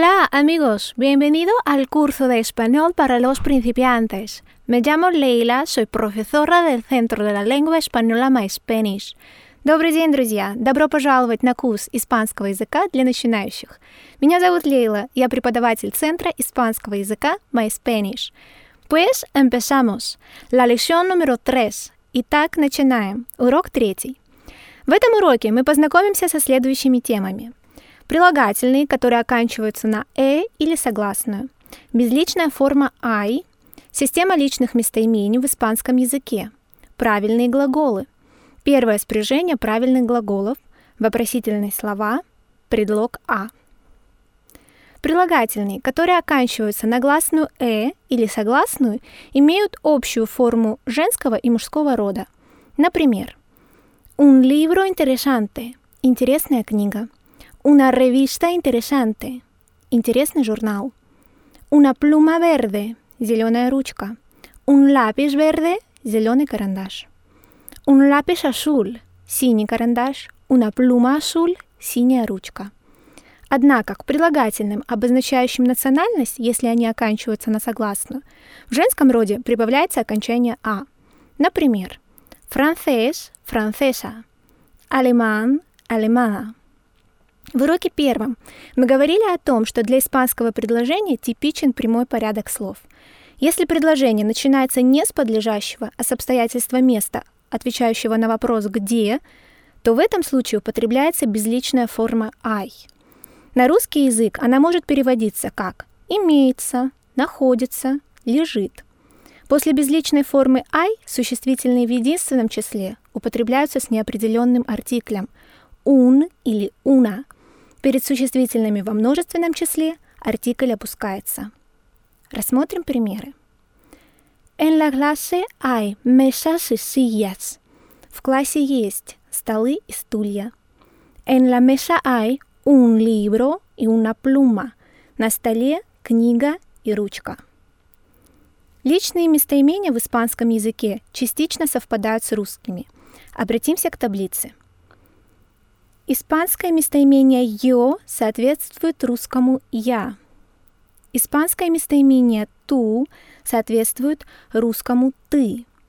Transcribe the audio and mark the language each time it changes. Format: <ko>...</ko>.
<es>amigos, bienvenido al curso de español para los principiantes. Me llamo Leila, soy profesora del Centro de la Lengua Española My Spanish.</es> <ru>Добрый день, друзья! Добро пожаловать на курс испанского языка для начинающих. Меня зовут Лейла, я преподаватель Центра испанского языка My Spanish.</ru> <es>Pues empezamos. La lección número 3.</es> <ru>Итак, начинаем. Урок 3. В этом уроке мы познакомимся со следующими темами. Прилагательные, которые оканчиваются на «э» или согласную. Безличная форма «ай». Система личных местоимений в испанском языке. Правильные глаголы. Первое спряжение правильных глаголов. Вопросительные слова. Предлог «а». Прилагательные, которые оканчиваются на гласную «э» или согласную, имеют общую форму женского и мужского рода. Например,</ru> <es>«un libro interesante»</es> <ru>– интересная книга.</ru> <es>«Una revista interesante» –</es> <ru>интересный журнал.</ru> <es>«Una pluma verde» –</es> <ru>зеленая ручка.</ru> <es>«Un lápiz verde» –</es> <ru>зеленый карандаш.</ru> <es>«Un lápiz azul» –</es> <ru>синий карандаш.</ru> <es>«Una pluma azul» –</es> <ru>синяя ручка. Однако к прилагательным, обозначающим национальность, если они оканчиваются на согласную, в женском роде прибавляется окончание «а».</ru> <es>Например, «francés» – «francesa», «alemán» – «alemana».</es> <ru>В уроке первом мы говорили о том, что для испанского предложения типичен прямой порядок слов. Если предложение начинается не с подлежащего, а с обстоятельства места, отвечающего на вопрос «где», то в этом случае употребляется безличная форма «ай». На русский язык она может переводиться как «имеется», «находится», «лежит». После безличной формы «ай» существительные в единственном числе употребляются с неопределенным артиклем «un» или «una». Перед существительными во множественном числе артикль опускается. Рассмотрим примеры.</ru> <es>«En la clase hay mesas y sillas».</es> <ru>«В классе есть столы и стулья».</ru> <es>«En la mesa hay un libro y una pluma».</es> <ru>«На столе книга и ручка». Личные местоимения в испанском языке частично совпадают с русскими. Обратимся к таблице. Испанское местоимение «yo» соответствует русскому «я». Испанское местоимение «tú» соответствует русскому «ты».</ru>